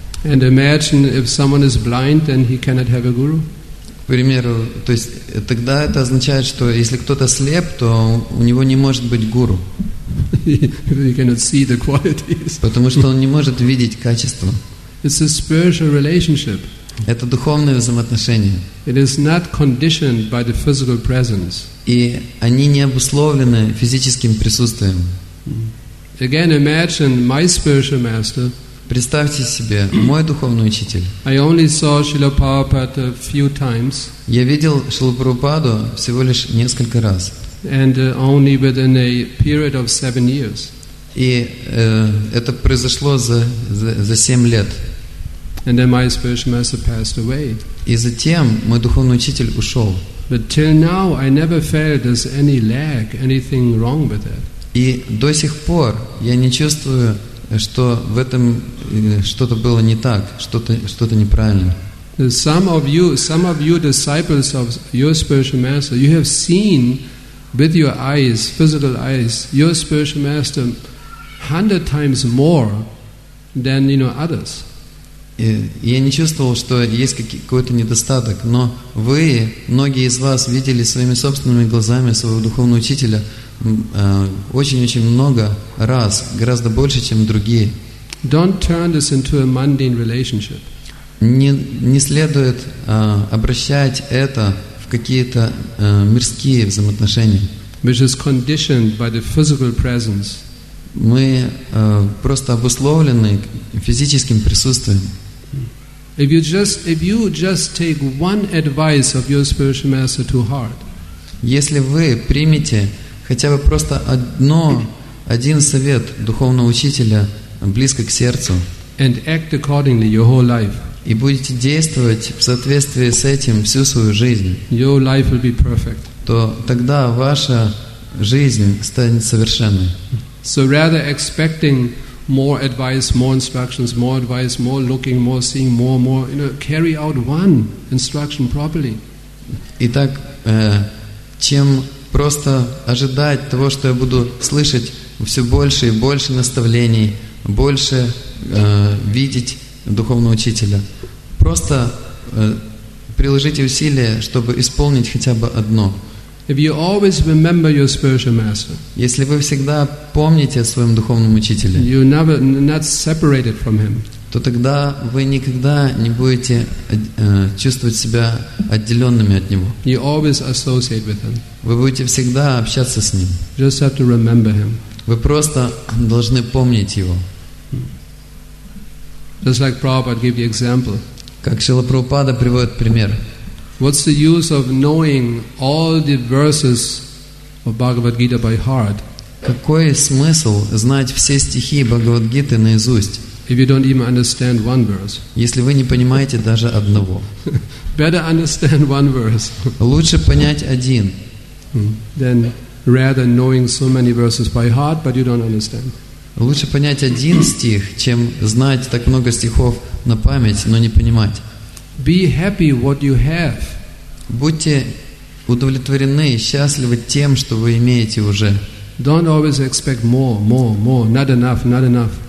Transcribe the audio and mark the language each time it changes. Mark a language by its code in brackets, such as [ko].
[en] And imagine if someone is blind, then he cannot have a guru. [ru] К примеру, то есть тогда это означает, что если кто-то слеп, то у него не может быть гуру. [en] He cannot see the qualities. [ru] Потому что он не может видеть качества. [en] It's a spiritual relationship. [ru] Это духовные взаимоотношения. [en] It is not conditioned by the physical presence. [ru] И они не обусловлены физическим присутствием. [en] Again, imagine my spiritual master. [ru] Представьте себе, мой духовный учитель. [en] I only saw Srila Prabhupada a few times. [ru] Я видел Шрилу Прабхупаду всего лишь несколько раз. [en] And only within a period of 7 years. [ru] И это произошло за 7 лет. [en] And then my spiritual master passed away. [ru] И затем мой духовный учитель ушел. [en] But till now I never felt there's any lag, anything wrong with that. [ru] И до сих пор я не чувствую, что в этом что-то было не так, что-то неправильно. [en] Some of you disciples of your spiritual master, you have seen with your eyes, physical eyes, your spiritual master 100 times more than, you know, others. [ru] Я не чувствовал, что есть какой-то недостаток, но вы, многие из вас, видели своими собственными глазами своего духовного учителя очень-очень много раз, гораздо больше, чем другие. [en] Don't turn this into a mundane relationship. [ru] Не следует обращать это в какие-то мирские взаимоотношения. [en] Which is conditioned by the physical presence. [ru] Мы просто обусловлены физическим присутствием. [en] If you just take one advice of your spiritual master to heart. [ru] Если вы примете хотя бы просто один совет духовного учителя близко к сердцу. [en] And act accordingly your whole life. [ru] И будете действовать в соответствии с этим всю свою жизнь. [en] Your life will be perfect. [ru] То тогда ваша жизнь станет совершенной. [en] So rather expecting more advice, more instructions, more advice, more looking, more seeing, more, you know, carry out one instruction properly. [ru] Итак, чем просто ожидать того, что я буду слышать все больше и больше наставлений, больше видеть духовного учителя, просто приложите усилия, чтобы исполнить хотя бы одно. [en] If you always remember your spiritual master, [ru] если вы всегда помните о своем духовном учителе, [en] you never not separated from him, [ru] то тогда вы никогда не будете чувствовать себя отделенными от него. [en] You always associate with him. [ru] Вы будете всегда общаться с ним. [en] Just have to remember him. [ru] Вы просто должны помнить его. [en] Just like Prabhupada gave the example. [ru] Как Шрила Прабхупада приводит пример. [en] What's the use of knowing all the verses of Bhagavad Gita by heart? [ru] Какой смысл знать все стихи Бхагавад-гиты наизусть? [en] if you don't even understand one verse. [ru] Если вы не понимаете даже одного. [en] Better understand one verse. [ru] Лучше понять один. [en] Then rather knowing so many verses by heart, but you don't understand. [ru] Лучше понять один стих, чем знать так много стихов на память, но не понимать. [en] Be happy what you have. [ru] Будьте удовлетворены и счастливы тем, что вы имеете уже. [en] Don't always expect more, not enough, not enough.